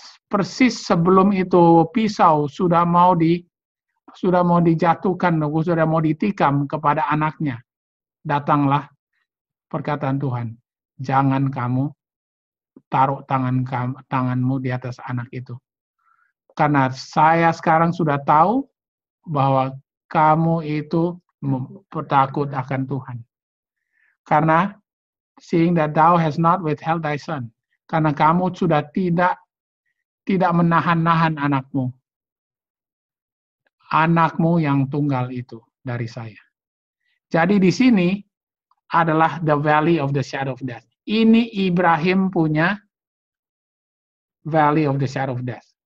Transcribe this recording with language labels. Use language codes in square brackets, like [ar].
[id] Persis sebelum itu pisau sudah mau dijatuhkan, sudah mau ditikam kepada anaknya, datanglah perkataan Tuhan, jangan kamu taruh tanganmu di atas anak itu. Karena saya sekarang sudah tahu bahwa kamu itu takut akan Tuhan. Karena [en] seeing that thou has not withheld thy son. [id] Karena kamu sudah tidak menahan-nahan anakmu. Anakmu yang tunggal itu dari saya. Jadi di sini adalah [en] the valley of the shadow of death. [id] Ini Ibrahim punya [en] valley of the shadow of death.